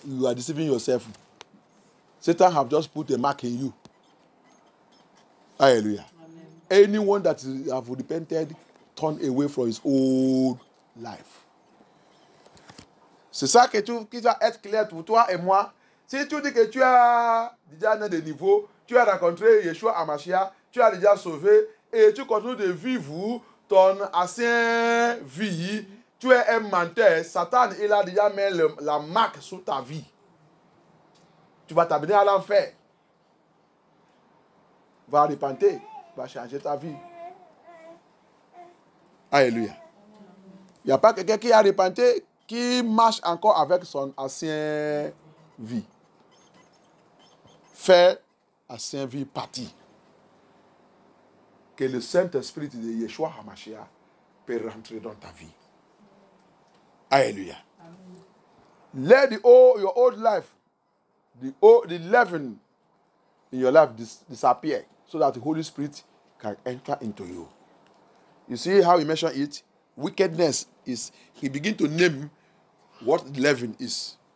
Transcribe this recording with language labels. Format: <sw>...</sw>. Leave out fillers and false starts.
<en>You are deceiving yourself. Satan have just put a mark in you. Hallelujah. Amen. Anyone that have repented, turn away from his old life.</en> <fr>C'est ça que tu dois être clair pour toi et moi. Si tu dis que tu as déjà atteint des niveaux, tu as rencontré Yeshua HaMashiach, tu as déjà sauvé et tu continues de vivre ton ancien vie. Tu es un menteur. Satan, il a déjà mis la marque sur ta vie. Tu vas t'amener à l'enfer. Va repenter. Va changer ta vie. Alléluia. Il n'y a pas quelqu'un qui a repenti, qui marche encore avec son ancien vie. Fait ancien vie partie. Que le Saint-Esprit de Yeshua HaMashiach peut rentrer dans ta vie. Alléluia.</fr> <en>Let your old life, the leaven in your life disappear so that the Holy Spirit can enter into you. You see how he mentioned it? Wickedness is, he begin to name what leaven is.</en>